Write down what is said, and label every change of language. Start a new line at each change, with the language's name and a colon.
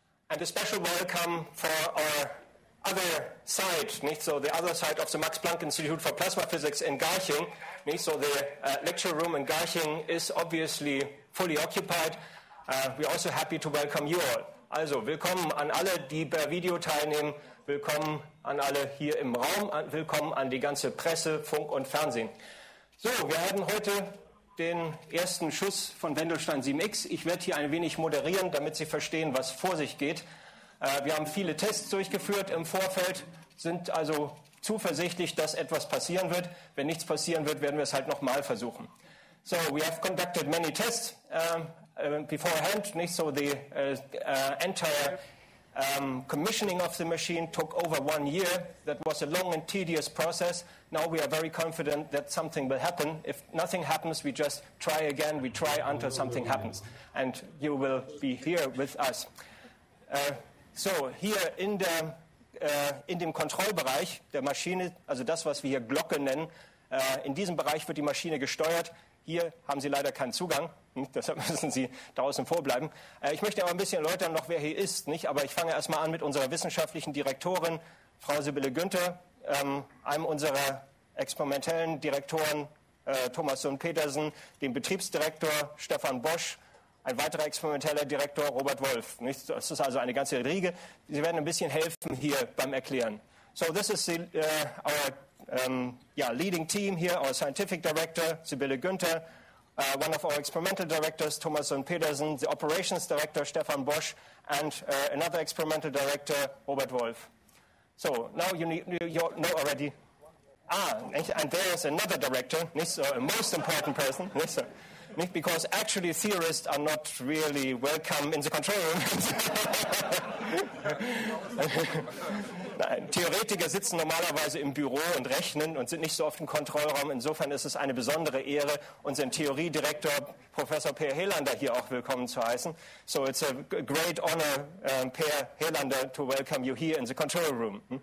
English: And a special welcome for our other side, nicht? So the other side of the Max Planck Institute for Plasma Physics in Garching. Nicht? So the lecture room in Garching is obviously fully occupied. We're also happy to welcome you all.
German: Also, willkommen an alle, die per Video teilnehmen, willkommen an alle hier im Raum, willkommen an die ganze Presse, Funk und Fernsehen. So, wir haben heute den ersten Schuss von Wendelstein 7X. Ich werde hier ein wenig moderieren, damit Sie verstehen, was vor sich geht. Wir haben viele Tests durchgeführt im Vorfeld, sind also zuversichtlich, dass etwas passieren wird. Wenn nichts passieren wird, werden wir es halt nochmal versuchen.
English: So, we have conducted many tests. Beforehand, nicht? So the entire commissioning of the machine took over 1 year. That was a long and tedious process. Now we are very confident that something will happen. If nothing happens, we just try again. We try until something happens. And you will be here with us. So here in the
German: in dem Kontrollbereich der Maschine, also das, was wir hier Glocke nennen, in diesem Bereich wird die Maschine gesteuert. Hier haben Sie leider keinen Zugang. Deshalb müssen Sie draußen vorbleiben. Ich möchte aber ein bisschen erläutern noch, wer hier ist. Nicht? Aber ich fange erstmal an mit unserer wissenschaftlichen Direktorin, Frau Sibylle Günther, einem unserer experimentellen Direktoren, Thomas Sohn-Petersen, dem Betriebsdirektor Stefan Bosch, ein weiterer experimenteller Direktor, Robert Wolf. Nicht? Das ist also eine ganze Riege. Sie werden ein bisschen helfen hier beim Erklären.
English: So, this is our leading team here, our scientific director, Sibylle Günther, one of our experimental directors, Thomas Sohn-Petersen, the operations director, Stefan Bosch, and another experimental director, Robert Wolf. So now you know already. And there is another director, a most important person, because actually theorists are not really welcome in the control room.
German: Nein, Theoretiker sitzen normalerweise im Büro und rechnen und sind nicht so oft im Kontrollraum. Insofern ist es eine besondere Ehre, unseren Theoriedirektor Professor Per Helander hier auch willkommen zu heißen.
English: So it's a great honor, Per Helander, to welcome you here in the control room.